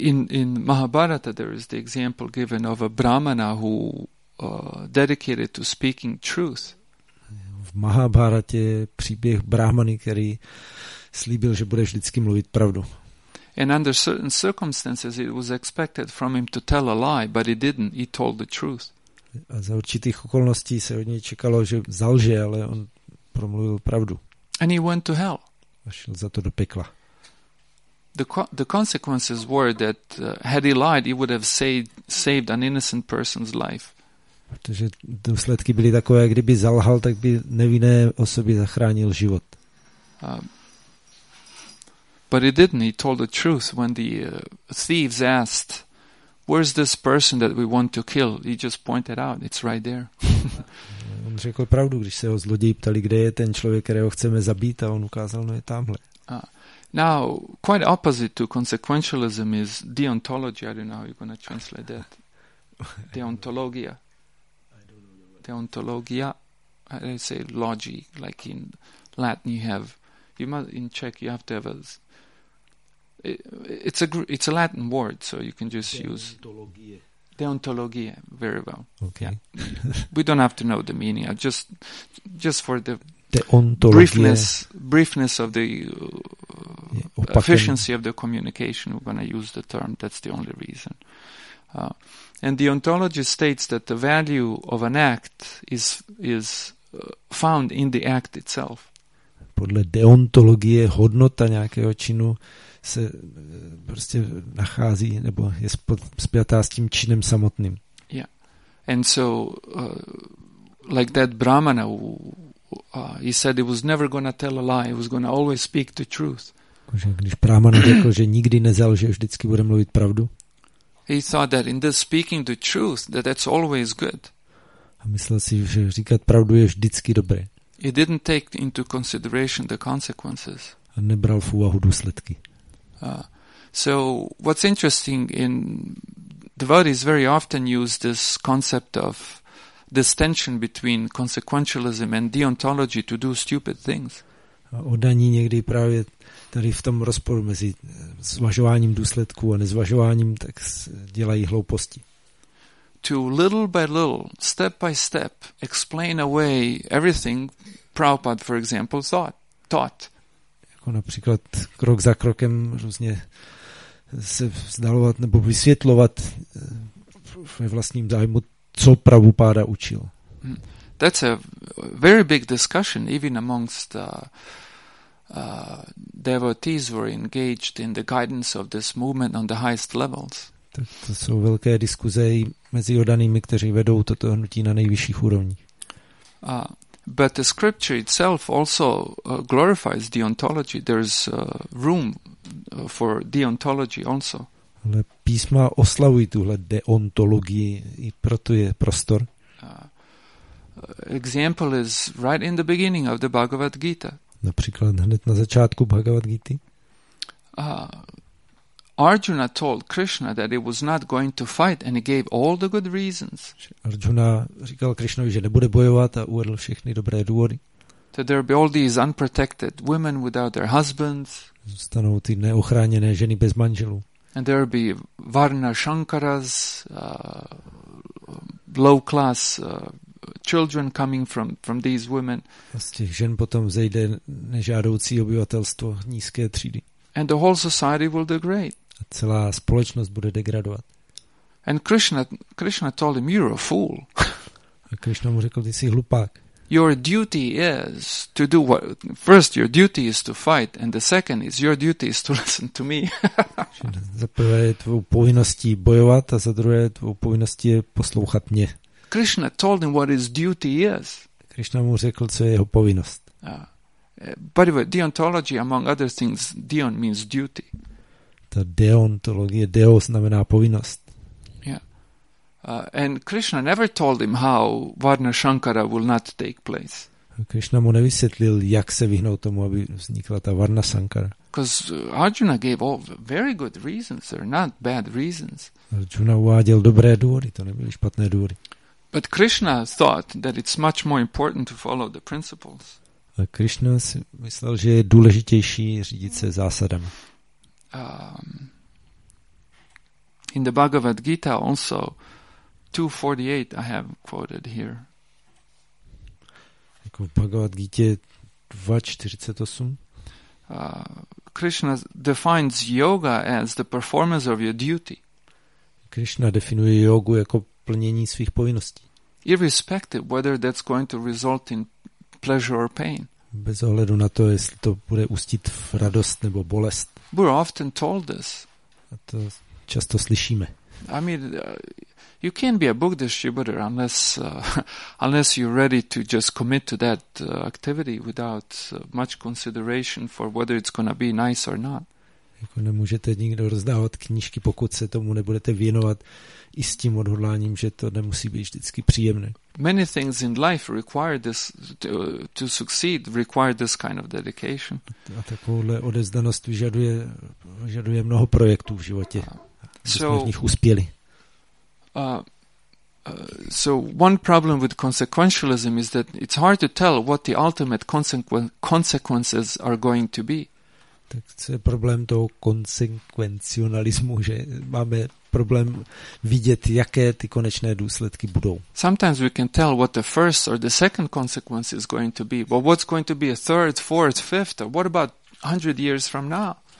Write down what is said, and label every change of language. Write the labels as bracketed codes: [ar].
[en] In Mahabharata there is the example given of a brahmana who dedicated to speaking truth. [cs] V Mahabharatě příběh brahmany, který slíbil, že bude vždycky mluvit pravdu. [en] And under certain circumstances it was expected from him to tell a lie, but he didn't. He told the truth. [cs] A za určitých okolností se od něj čekalo, že zalže, ale on promluvil pravdu. [en] And he went to hell. [cs] A šel za to do pekla. [en] The consequences were that had he lied, he would have saved an innocent person's life. [cs] Protože důsledky byly takové, kdyby zalhal, tak by nevinné osoby zachránil život. [en] But he didn't. He told the truth when the thieves asked, "Where's this person that we want to kill?" He just pointed out, "It's right there." [cs] On řekl pravdu, když se ho zloději ptali, kde je ten člověk, kterého chceme zabít, a on ukázal, no je tamhle. [en] Now, quite opposite to consequentialism is deontology. I don't know how you're going to translate that. Deontologia. Deontologia. I say logi, like in Latin you have... You must, in Czech you have to have a... It's a Latin word, so you can just use... Deontologia. Very well. Okay. Yeah. We don't have to know the meaning. Just for the... briefness of the efficiency of the communication, we're going to use the term. That's the only reason. And the ontology states that the value of an act is found in the act itself. [cs] Podle deontologie hodnota nějakého činu se prostě nachází nebo je spjatá s tím činem samotným. [en] Yeah. And so like that Brahmana who he said he was never going to tell a lie, he was going to always speak the truth. [cs] Když Brahmana řekl, že nikdy nezelže, vždycky bude mluvit pravdu. [en] He thought that in this speaking the truth, that that's always good. [cs] A myslel si, že říkat pravdu je vždycky dobré. [en] He didn't take into consideration the consequences. [cs] A nebral v úvahu důsledky. [en] So what's interesting in devotees very often use this concept of this tension between consequentialism and deontology to do stupid things. [cs] A oddaní někdy právě tady v tom rozporu mezi zvažováním důsledků a nezvažováním, tak dělají hlouposti. [en] To little by little, step by step, explain away everything Prabhupada, for example, taught. [cs] Jako například krok za krokem různě se vzdalovat nebo vysvětlovat ve vlastním zájmu, co Prabhupada učil. [en] That's a very big discussion, even amongst devotees who are engaged in the guidance of this movement on the highest levels. [cs] Tak to jsou velké diskuze mezi oddanými, kteří vedou toto hnutí na nejvyšších úrovních. [en] But the scripture itself also glorifies deontology. There's room for deontology also. [cs] Ale písma oslavují tuhle deontologii, i proto je prostor. [en] Example is right in the beginning of the Bhagavad Gita. [cs] Například hned na začátku Bhagavad Gita. [en] Arjuna told Krishna that he was not going to fight and he gave all the good reasons. [cs] Arjuna říkal Krishnovi, že nebude bojovat a uvedl všechny dobré důvody. [en] That there be all these unprotected women without their husbands. [cs] Zůstanou ty neochráněné ženy bez manželů. [en] And there be Varna Shankaras, low class children coming from these women. [cs] A z těch žen potom zejde nežádoucí obyvatelstvo nízké třídy. [en] And the whole society will degrade. [cs] A celá společnost bude degradovat. [en] And Krishna told him, you're a fool. [cs] A Krishna mu řekl, ty jsi hlupák. [en] Your duty is to do what? First, your duty is to fight, and the second is your duty is to listen to me. [cs] Za prvé je tvou povinností bojovat a za druhé je tvou povinností poslouchat mě. [en] Krishna told him what his duty is. [cs] Krishna mu řekl, co je jeho povinnost. [en] By the way, deontology, among other things, deon means duty. [cs] Ta deontologie, deo znamená povinnost. [en] Yeah. And Krishna never told him how Varna Shankara will not take place. [cs] Krishna mu nevysvětlil, jak se vyhnout tomu, aby vznikla ta Varna Shankara. [en] Because Arjuna gave all very good reasons, they're not bad reasons. [cs] Arjuna uváděl dobré důvody, to nebyly špatné důvody. [en] But Krishna thought that it's much more important to follow the principles. [cs] A Krishna si myslel, že je důležitější řídit se zásadami. [en] In the Bhagavad Gita also 248 I have quoted here. [cs] Jako v Bhagavad Gita 248. [en] Krishna defines yoga as the performance of your duty. [cs] Krishna definuje jogu jako plnění svých povinností. [en] Irrespective whether that's going to result in pleasure or pain. [cs] Bez ohledu na to, jestli to bude ústit v radost nebo bolest. [en] We're often told this. [cs] A to často slyšíme. [en] I mean, you can't be a book distributor unless you're ready to just commit to that activity without much consideration for whether it's going to be nice or not. [cs] Jako nemůžete nikdo rozdávat knížky, pokud se tomu nebudete věnovat i s tím odhodláním, že to nemusí být vždycky příjemné. [en] Many things in life require this to succeed require this kind of dedication. [cs] A takovouhle odevzdanost vyžaduje mnoho projektů v životě, aby jsme v nich uspěli. [en] So one problem with consequentialism is that it's hard to tell what the ultimate consequences are going to be. [cs] Tak to je problém toho konsekvencionalismu, že máme problém vidět, jaké ty konečné důsledky budou. [en] Sometimes we can tell what the first or the second consequence is going to be, but what's going to be a third, fourth, fifth, or what about 100 years from now?